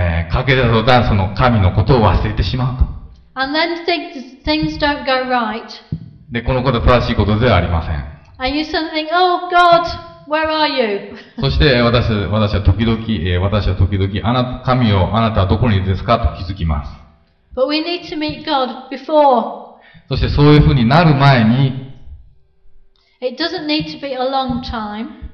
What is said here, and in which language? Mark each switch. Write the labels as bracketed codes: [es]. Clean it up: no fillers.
[ja] 駆け出た途端、その神のことを忘れてしまうと。 [en] And then things don't go right. [ja] で、このことは正しいことではありません。 [en] And you suddenly think, oh God! Where are you? [ja] そして私は時々あなた神をあなたはどこにいるですかと気づきます。 [en] But we need to meet God before. [ja] そしてそういうふうになる前に [en] It doesn't need to be a long time.